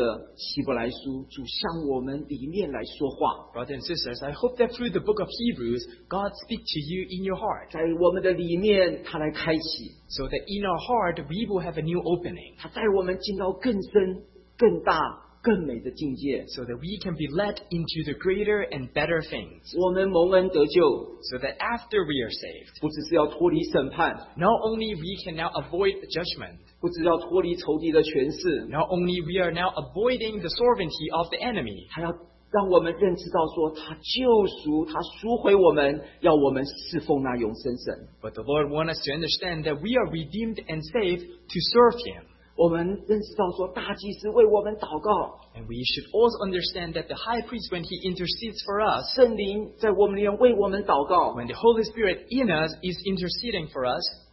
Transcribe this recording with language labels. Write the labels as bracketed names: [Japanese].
[Chinese] 弟兄姐妹,我们盼望说借着希伯来书,主向我们里面来说话。 [English] Brothers and sisters, I hope that through the book of Hebrews, God speaks to you in your heart. [Chinese] 在我们的里面,祂来开启。 [English] So that in our heart, we will have a new opening. [Chinese] 祂带我们进到更深,更大,更美的境界。 [English] So that we can be led into the greater and better things. [Chinese] 我们蒙恩得救。 [English] So that after we are saved, [Chinese] 不只是要脱离审判, [English] not only we can now avoid judgment, [Chinese] 不只要脱离仇敌的权势, [English] not only we are now avoiding the sovereignty of the enemy, [Chinese] 他要让我们认识到说他救赎,他赎回我们,要我们侍奉那永生神。 [English] But the Lord wants us to understand that we are redeemed and saved to serve Him. [Chinese] 我们认识到说大祭司为我们祷告, [English] and we should also understand that the High Priest, when He intercedes for us, [Chinese] 圣灵在我们里面为我们祷告, [English] when the Holy Spirit in us is interceding for us,